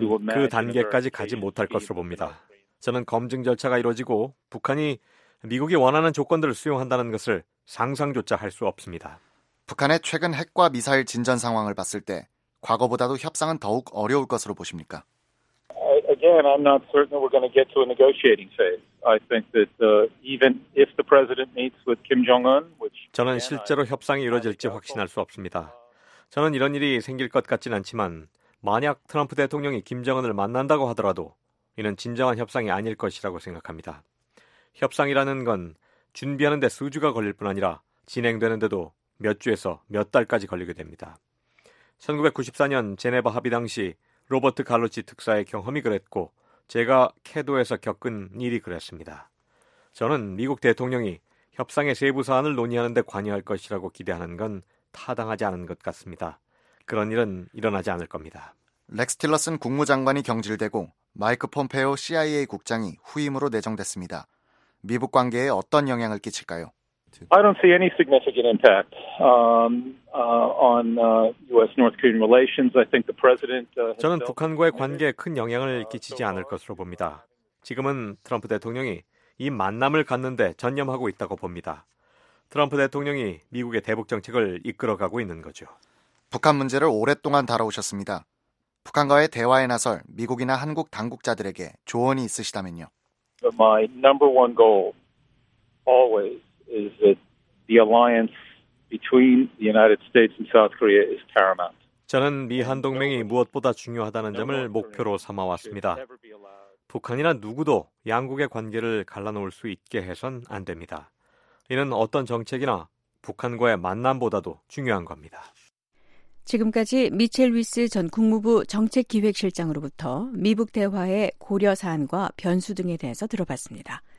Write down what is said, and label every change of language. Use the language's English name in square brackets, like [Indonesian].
[Korean] 저는 그 단계까지 가지 못할 것으로 봅니다. 저는 검증 절차가 이루어지고 북한이 미국이 원하는 조건들을 수용한다는 것을 상상조차 할 수 없습니다. 북한의 최근 핵과 미사일 진전 상황을 봤을 때 과거보다도 협상은 더욱 어려울 것으로 보십니까? [English] Again, I'm not certain we're going to get to a negotiating phase. I think that even if the president meets with Kim Jong-un, which [Korean] 저는 실제로 협상이 이루어질지 확신할 수 없습니다. 저는 이런 일이 생길 것 같진 않지만 만약 트럼프 대통령이 김정은을 만난다고 하더라도 이는 진정한 협상이 아닐 것이라고 생각합니다. 협상이라는 건 준비하는 데 수주가 걸릴 뿐 아니라 진행되는 데도 몇 주에서 몇 달까지 걸리게 됩니다. 1994년 제네바 합의 당시 로버트 갈로치 특사의 경험이 그랬고 제가 캐도에서 겪은 일이 그랬습니다. 저는 미국 대통령이 협상의 세부 사안을 논의하는 데 관여할 것이라고 기대하는 건 타당하지 않은 것 같습니다. 그런 일은 일어나지 않을 겁니다. 렉스 틸러슨 국무장관이 경질되고 마이크 폼페오 CIA 국장이 후임으로 내정됐습니다. 미북 관계에 어떤 영향을 끼칠까요? [English] I don't see any significant impact on U.S. North Korean relations. I think the president. [Korean] 저는 북한과의 관계에 큰 영향을 끼치지 않을 것으로 봅니다. 지금은 트럼프 대통령이 이 만남을 갖는데 전념하고 있다고 봅니다. 트럼프 대통령이 미국의 대북 정책을 이끌어가고 있는 거죠. 북한 문제를 오랫동안 다뤄오셨습니다. 북한과의 대화에 나설 미국이나 한국 당국자들에게 조언이 있으시다면요. [English] My number one goal always is that the alliance between the United States and South Korea is paramount. [Korean] 저는 미한 동맹이 무엇보다 중요하다는 점을 목표로 삼아왔습니다. 북한이나 누구도 양국의 관계를 갈라놓을 수 있게 해선 안 됩니다. 이는 어떤 정책이나 북한과의 만남보다도 중요한 겁니다. 지금까지 미첼 위스 전 국무부 정책기획실장으로부터 미북 대화의 고려 사안과 변수 등에 대해서 들어봤습니다.